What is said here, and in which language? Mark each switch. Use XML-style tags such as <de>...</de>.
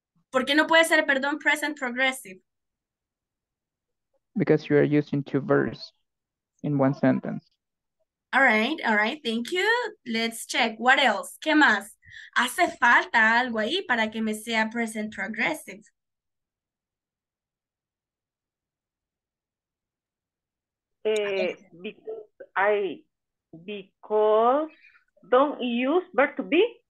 <es>¿Por qué no puede ser, perdón, present progressive?</es> <en>Because you are using two verbs in one sentence. All right, thank you. Let's check. What else?</en> <es>¿Qué más? ¿Hace falta algo ahí para que me sea present progressive?</es> <en>Because don't use verb to be.</en>